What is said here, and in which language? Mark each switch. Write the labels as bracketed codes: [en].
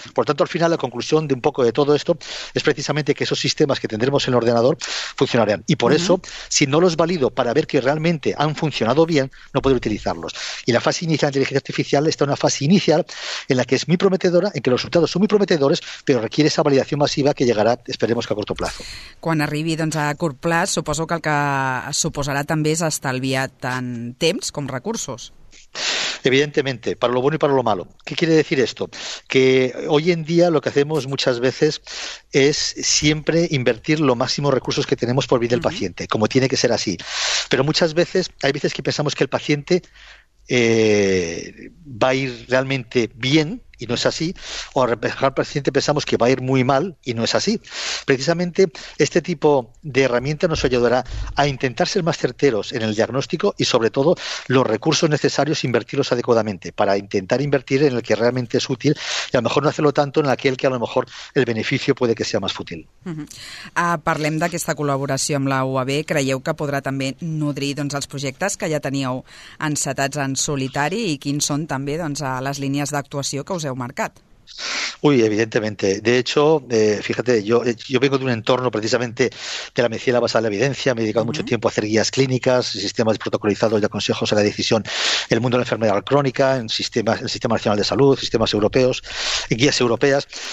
[es] Por tanto, al final, la conclusión de un poco de todo esto es precisamente que esos sistemas que tendremos en el ordenador funcionarán. Y por eso, si no los valido para ver que realmente han funcionado bien, no puedo utilizarlos. Y la fase inicial de la inteligencia artificial está en una fase inicial en la que es muy prometedora, en que los resultados son muy prometedores, pero requiere esa validación masiva que llegarà, esperemos que a curto plazo. [ca] Quan arribi doncs, a curt plaç, suposo que el que suposarà també és estalviar tant temps com recursos. [es] Evidentemente, para lo bueno y para lo malo. ¿Qué quiere decir esto? Que hoy en día lo que hacemos muchas veces es siempre invertir lo máximo recursos que tenemos por bien del paciente, como tiene que ser así. Pero muchas veces, hay veces que pensamos que el paciente va a ir realmente bien y no es así, o al mejor paciente pensamos que va a ir muy mal y no es así. Precisamente este tipo de herramienta nos ayudará a intentar ser más certeros en el diagnóstico y sobre todo los recursos necesarios invertirlos adecuadamente para intentar invertir en el que realmente es útil y a lo mejor no hacerlo tanto en aquel que a lo mejor el beneficio puede que sea más fútil. [ca] Parlem d'aquesta col·laboració amb la UAB. Creieu que podrà també nodrir doncs, els projectes que ja teníeu encetats en solitari i quins són també doncs, les línies d'actuació que us heu marcat? [es] Uy, evidentemente. De hecho, fíjate, yo vengo de un entorno precisamente de la medicina basada en la evidencia. Me he dedicado mucho tiempo a hacer guías clínicas, sistemas protocolizados y consejos a la decisión en el mundo de la enfermedad crónica, en sistemas, el Sistema Nacional de Salud, sistemas europeos, en guías europeas.